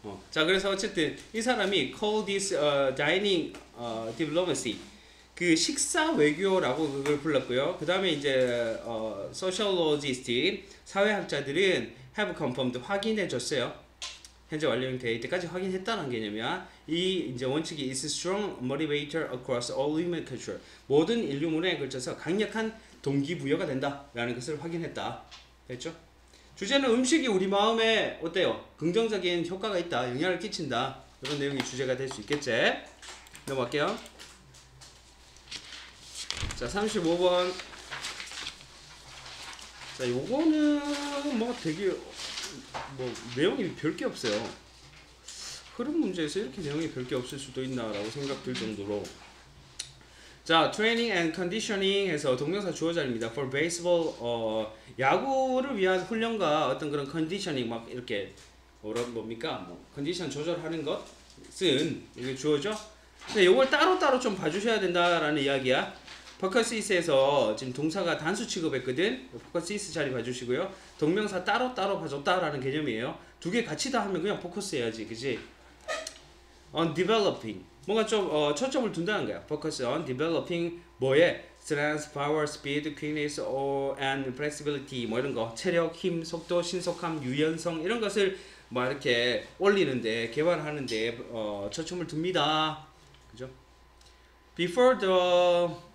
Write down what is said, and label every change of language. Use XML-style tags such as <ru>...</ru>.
<ko>자, 그래서 어쨌든 이 사람이</ko> <en>call this dining diplomacy.</en> <ko>그 식사 외교라고 그걸 불렀고요. 그 다음에 이제 sociologists인 사회학자들은</ko> <en>have confirmed</en> <ko>확인해 줬어요. 현재 완료형 데이터까지 확인했다는 개념이야. 이 이제 원칙이</ko> <en>is a strong motivator across all human culture.</en> <ko>모든 인류 문화에 걸쳐서 강력한 동기부여가 된다라는 것을 확인했다. 됐죠? 주제는 음식이 우리 마음에 어때요? 긍정적인 효과가 있다. 영향을 끼친다. 이런 내용이 주제가 될 수 있겠지. 넘어갈게요. 자, 35번. 자, 요거는 뭐 되게 뭐 내용이 별 게 없어요. 흐름 문제에서 이렇게 내용이 별 게 없을 수도 있나라고 생각될 정도로. 자,</ko> <en>training and conditioning</en> <ko>해서 동명사 주어자입니다.</ko> <en>For baseball</en> <ko>야구를 위한 훈련과 어떤 그런 conditioning 막 이렇게 뭡니까? 뭐 컨디션 조절하는 것은 이게 주어죠. 근데 요걸 따로따로 좀 봐 주셔야 된다라는 이야기야. 퍼커시스에서 지금 동사가 단수 취급했거든. 퍼커시스 자리 봐주시고요. 동명사 따로따로 봐줬다라는 개념이에요. 두 개 같이 다 하면 그냥 포커스 해야지. 그치?</ko> <en>On developing.</en> <ko>뭔가 좀 초점을 둔다는 거야.</ko> <en>Focus on developing</en> <ko>뭐에?</ko> <en>Strength, power, speed, quickness, and flexibility.</en> <ko>뭐 이런 거. 체력, 힘, 속도, 신속함, 유연성. 이런 것을 막 이렇게 올리는데, 개발하는데 초점을 둡니다. 그죠?</ko> <en>Before the</en>